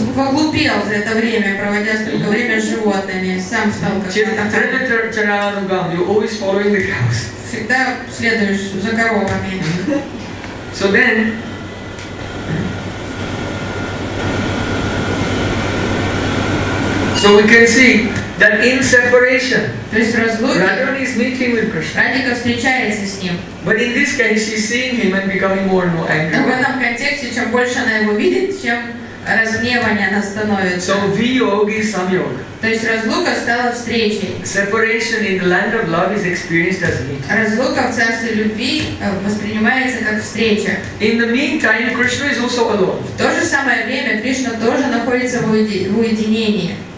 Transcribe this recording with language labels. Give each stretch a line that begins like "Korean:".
Russian: Ты поглупел за это время, проводя столько времени с животными, сам стал как
English: натахари. You're always following the cows.
Russian: Всегда следуешь за коровами.
English: So then, so we can see that in separation, Radharani is meeting with Krishna.
Russian: Радика встречается с ним.
English: But in this case, she's seeing him and becoming more and more angry.
Russian: В этом контексте, чем больше она его видит, чем разгневание она становится.
Sanskrit: So viyogi samyog.
Russian: То есть разлука стала встречей.
English: Separation in the land of love is experienced as meeting.
Russian: Разлука в царстве любви воспринимается как встреча.
English: In the meantime, Krishna is also alone.
Russian: В то же самое время Кришна тоже находится в уединении.